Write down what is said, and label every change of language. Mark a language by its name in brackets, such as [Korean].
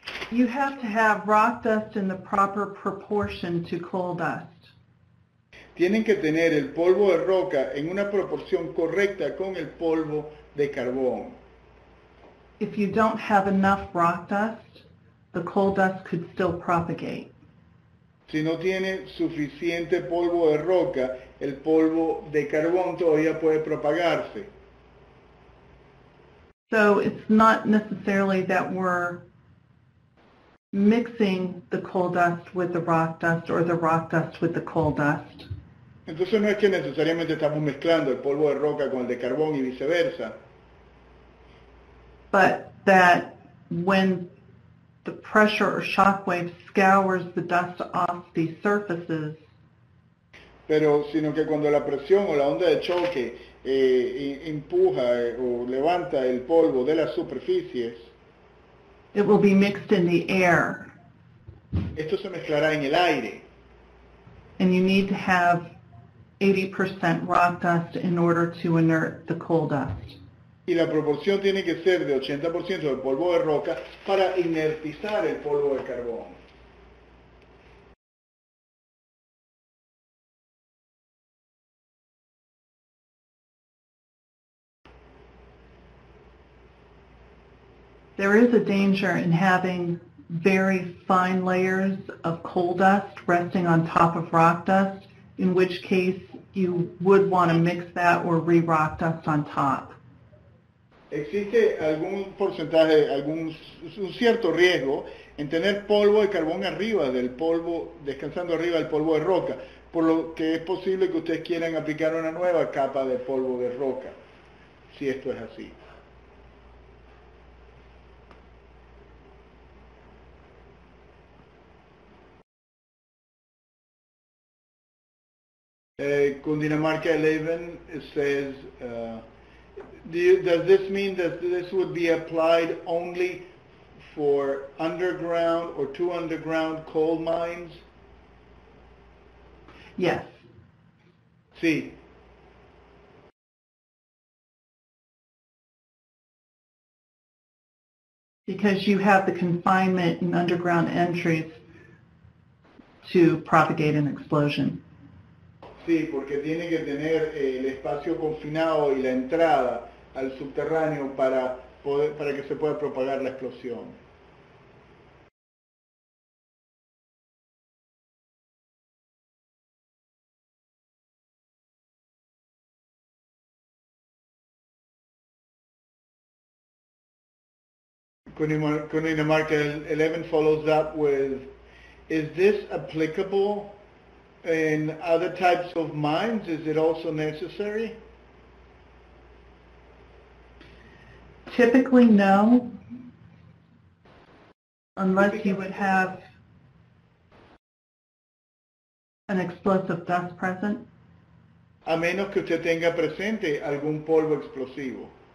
[English] You have to have rock dust in the proper proportion to coal dust. [Spanish] Tienen que tener el polvo de roca en una proporción correcta con el polvo de carbón. [English] If you don't have enough rock dust, the coal dust could still propagate. [Spanish] Si no tiene suficiente polvo de roca, el polvo de carbón todavía puede propagarse. [English] So it's not necessarily that we're mixing the coal dust with the rock dust or the rock dust with the coal dust. [Spanish] Entonces no es que necesariamente estamos mezclando el polvo de roca con el de carbón y viceversa. [English] But that when the pressure or shockwave scours the dust off the surfaces. [Spanish] Pero sino que cuando la presión o la onda de choque empuja o levanta el polvo de las superficies, [English] it will be mixed in the air. [Spanish] Esto se mezclará en el aire. [English] And you need to have 80% rock dust in order to inert the coal dust. [Spanish] Y la proporción tiene que ser de 80% del polvo de roca para inertizar el polvo de carbón. [English] There is a danger in having very fine layers of coal dust resting on top of rock dust, in which case you would want to mix that or re-rock dust on top. [Spanish] Existe algún porcentaje, algún un cierto riesgo en tener polvo de carbón arriba del polvo, descansando arriba del polvo de roca, por lo que es posible que ustedes quieran aplicar una nueva capa de polvo de roca, si esto es así. [English] Cundinamarca 11 says, does this mean that this would be applied only for underground or to underground coal mines? Yes. [Spanish] Sí. [English] Because you have the confinement in underground entries to propagate an explosion. [Spanish] Sí, porque tiene que tener el espacio confinado y la entrada al subterráneo para poder, para que se pueda propagar la explosión. [English] Cundinamarca 11 follows up with, is this applicable in other types of mines? Is it also necessary? Typically, no. Unless you would have an explosive dust present. [Spanish] A menos que usted tenga presente algún polvo explosivo.